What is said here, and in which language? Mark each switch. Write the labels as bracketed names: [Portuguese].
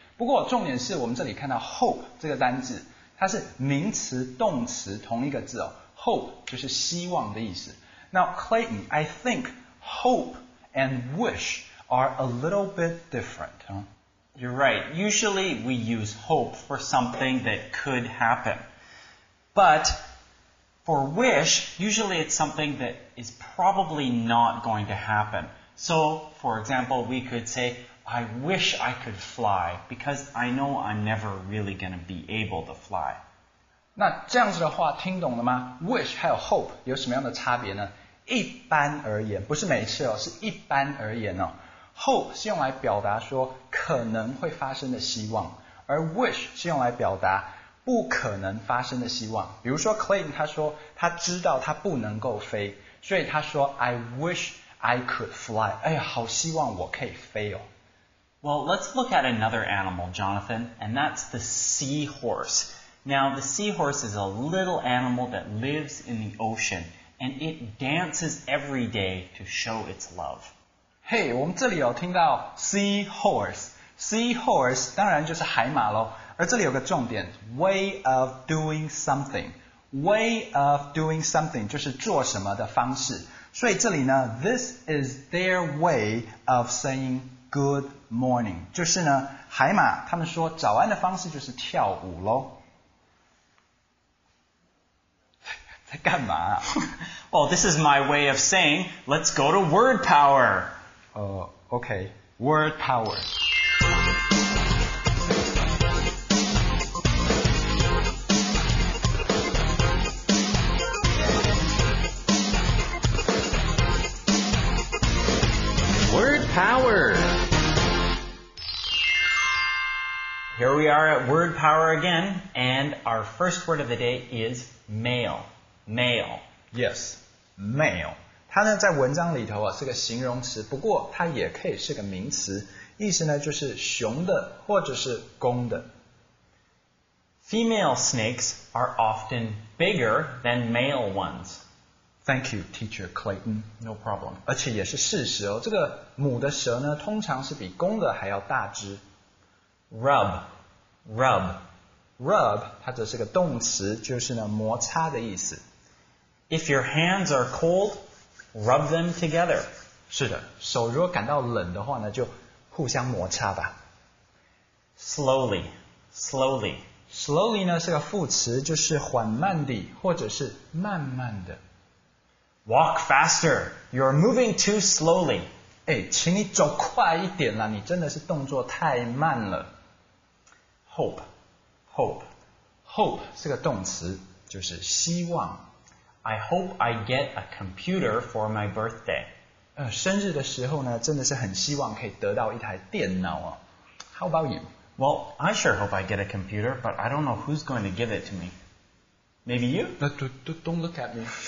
[Chinese] 不过重点是我们这里看到 hope 这个单字，它是名词、动词同一个字哦。 [English] Hope [Chinese] 就是希望的意思。 [English] Now, Clayton, I think hope... and wish are a little bit different.、Huh? You're right. Usually we use hope for something that could happen. But for wish, usually it's something that is probably not going to happen. So, for example, we could say, I wish I could fly because I know I'm never really going to be able to fly. [Chinese] 那这样子的话听懂了吗？Wish 还有 hope 有什么样的差别呢？一般而言，不是每一次哦，是一般而言哦。 Hope 是用来表达说可能会发生的希望，而 wish 是用来表达不可能发生的希望。比如说 Clayton 他说他知道他不能够飞，所以他说 [English] I wish I could fly。 [Chinese] 哎呀，好希望我可以飞哦。 [English] Well, let's look at another animal, Jonathan, and that's the seahorse. Now, the seahorse is a little animal that lives in the ocean. And it dances every day to show its love. [Chinese] Hey, 我们这里有听到 seahorse. Seahorse 当然就是海马咯。而这里有个重点， way of doing something. Way of doing something 就是做什么的方式。所以这里呢， [English] this is their way of saying good morning. [Chinese] 就是呢，海马他们说早安的方式就是跳舞咯。干嘛、啊、 [English] Well, this is my way of saying, let's go to word power. Okay, word power. Word power. Here we are at word power again, and our first word of the day is male. Male. Yes, male. [Chinese] 它呢在文章里头、啊、是个形容词，不过它也可以是个名词，意思呢就是雄的或者是公的。 [English] Female snakes are often bigger than male ones. Thank you, Teacher Clayton. No problem. [Chinese] 而且也是事实哦，这个母的蛇呢通常是比公的还要大只。 [English] Rub, rub. [Chinese] Rub, 它则是个动词，就是呢摩擦的意思。 [English] If your hands are cold, rub them together. [Chinese] 是的，手如果感到冷的话呢，就互相摩擦吧。 [English] Slowly, slowly. [Chinese] Slowly 呢是个副词，就是缓慢地或者是慢慢的。 [English] Walk faster, you're moving too slowly. [Chinese] 哎，请你走快一点啦，你真的是动作太慢了。 [English] Hope. Hope. [Chinese] Hope 是个动词，就是希望。 [English] I hope I get a computer for my birthday. [Chinese] 生日的时候呢，真的是很希望可以得到一台电脑哦。 [English] How about you? Well, I sure hope I get a computer, but I don't know who's going to give it to me. Maybe you? Don't look at me.